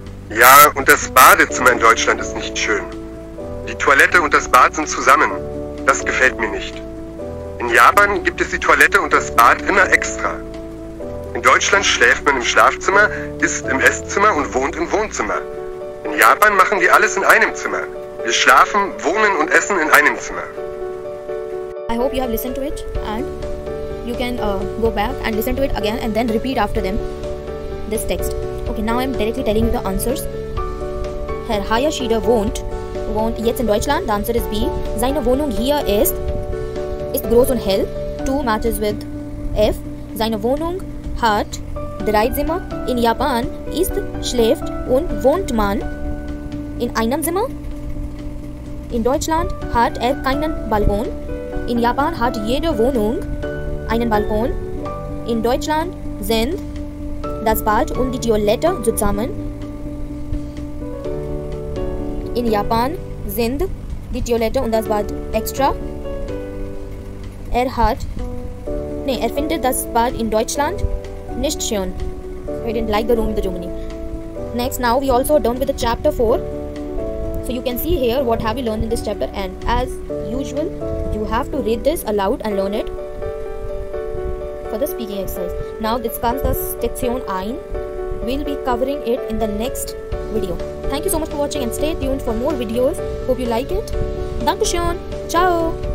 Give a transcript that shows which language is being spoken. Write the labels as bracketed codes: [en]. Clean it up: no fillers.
[de] Ja, und das Badezimmer in Deutschland ist nicht schön. Die Toilette und das Bad sind zusammen. Das gefällt mir nicht. In Japan gibt es die Toilette und das Bad immer extra. In Deutschland schläft man im Schlafzimmer, isst im Esszimmer und wohnt im Wohnzimmer. In Japan machen wir alles in einem Zimmer. Wir schlafen, wohnen und essen in einem Zimmer. [en] I hope you have listened to it and you can go back and listen to it again and then repeat after them this text. Okay, now I'm directly telling you the answers. [de] Herr Hayashida wohnt jetzt in Deutschland. [en] The answer is B. [de] Seine Wohnung hier ist groß und hell. [en] 2 matches with F. [de] Seine Wohnung hat 3 Zimmer. In Japan ist schläft und wohnt man in einem Zimmer. In Deutschland hat er keinen Balkon. In Japan hat jede Wohnung einen Balkon. In Deutschland sind das Bad und die Toilette zusammen. In Japan sind die Toilette und das Bad extra. Er findet das Bad in Deutschland nicht schön. [en] He didn't like the room in Germany. Next, now we also are done with the chapter 4. So you can see here what have we learned in this chapter. And as usual, you have to read this aloud and learn it for the speaking exercise. Now this comes the section 1, We'll be covering it in the next video. Thank you so much for watching and stay tuned for more videos. Hope you like it. Dankeschön. Ciao.